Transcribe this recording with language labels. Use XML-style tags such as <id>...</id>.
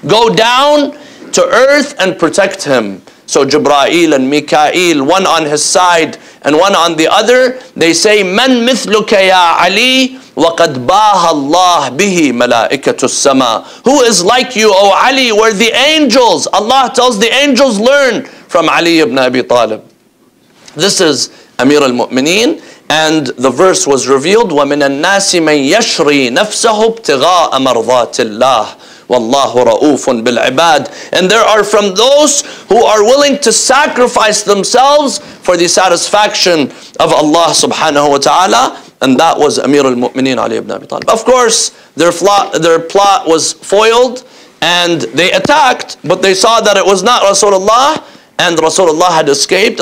<en>Go down to earth and protect him. So Jibra'il and Mika'il, one on his side and one on the other, they say,</en> <ar>"Man mithluka ya Ali, waqad baha Allah bihi malaikatu sama."</ar> <en>Who is like you, O Ali, where the angels, Allah tells the angels, learn from Ali ibn Abi Talib. This is Amir al-Mu'mineen, and the verse was revealed,</en> <ar>وَمِنَ النَّاسِ مَنْ يَشْرِي نَفْسَهُ ابْتِغَاءَ مَرْضَاتِ اللَّهِ وَاللَّهُ رَؤُوفٌ بِالْعِبَادِ.</ar> <en>And there are from those who are willing to sacrifice themselves for the satisfaction of Allah subhanahu wa ta'ala. And that was Amir al-Mu'mineen Ali ibn Abi Talib. Of course, their plot was foiled, and they attacked, but they saw that it was not Rasulullah, and Rasulullah had escaped.</en>